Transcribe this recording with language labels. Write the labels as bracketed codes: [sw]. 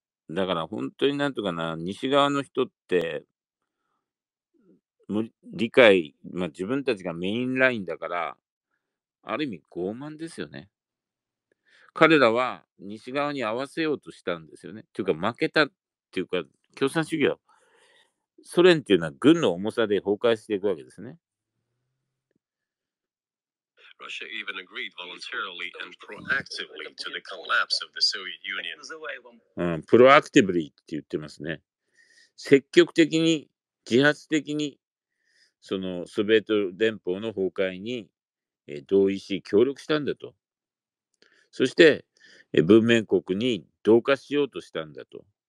[ja] だから本当になんとかな、西側の人って理解、まあ、自分たちがメインラインだから、ある意味傲慢ですよね。彼らは西側に合わせようとしたんですよね。というか負けたっていうか、共産主義はソ連っていうのは軍の重さで崩壊していくわけですね。 [en] Russia even agreed voluntarily and proactively to the collapse of the Soviet Union. [ja] Proactively って言ってますね。積極的に、自発的に、そのソビエト連邦の崩壊に同意し、協力したんだと。そして、文明国に同化しようとしたんだと。